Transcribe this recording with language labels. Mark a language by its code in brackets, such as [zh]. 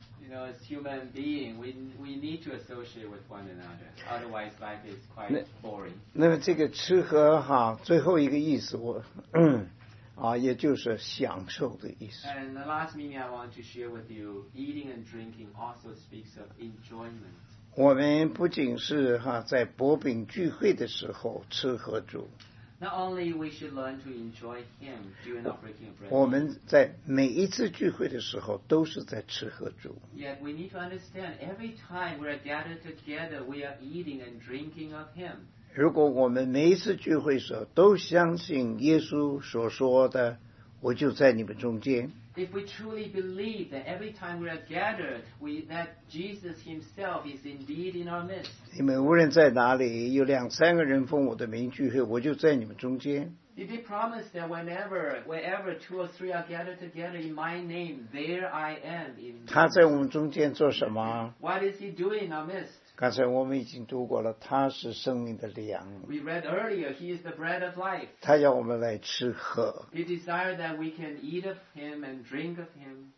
[en] You know, as human being, we need to associate with one another. Otherwise, life is quite boring. [zh] 那么这个吃喝最后一个意思，也就是享受的意思。 [en] And the last meaning I want to share with you, eating and drinking also speaks of enjoyment. [zh] 我们不仅是在擘饼聚会的时候吃喝主。 [en] Not only we should learn to enjoy Him during the breaking of bread. [zh] 我们在每一次聚会的时候都是在吃喝主。 [en] Yet we need to understand every time we are gathered together, we are eating and drinking of Him. [zh] 如果我们每一次聚会时候都相信耶稣所说的，我就在你们中间。 [en] If we truly believe that every time we are gathered, that Jesus Himself is indeed in our midst. [zh] 你们无论在哪里，有两三个人奉我的名聚会，我就在你们中间。 [en] If they promise that wherever two or three are gathered together in my name, there I am. [zh] 他在我们中间做什么？ [en] What is He doing in our midst? [zh] 刚才我们已经读过了，他是生命的粮。 [en] We read earlier, He is the bread of life. [zh] 他要我们来吃喝。 [en] He desires that we can eat of Him and drink of Him.